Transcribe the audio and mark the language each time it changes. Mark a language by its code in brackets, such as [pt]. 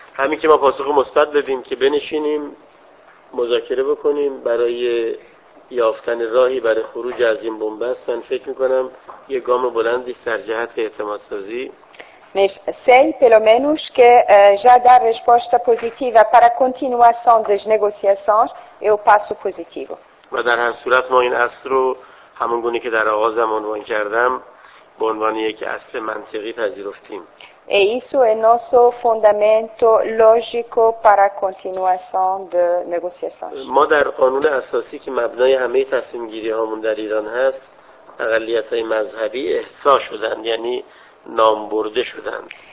[fa] همین که ما پاسخ مثبت دادیم که بنشینیم مذاکره بکنیم برای یافتن راهی برای خروج از این بنبست، من فکر می‌کنم یه گام بلندی در جهت اعتمادسازی. [pt] Sei, pelo menos, que já dá resposta positiva para a continuação das negociações é o passo positivo. [fa] و در هر صورت ما این اصل رو همون گونه که در آغاز هم عنوان کردم به عنوان یک اصل منطقی پذیرفتیم. [pt] E isso é nosso fundamento lógico para a continuação de negociações. [fa] ما در قانون اساسی که مبنای همه تصمیم گیری هامون در ایران هست، اقلیت های مذهبی احصا شدند، یعنی نام برده شدند.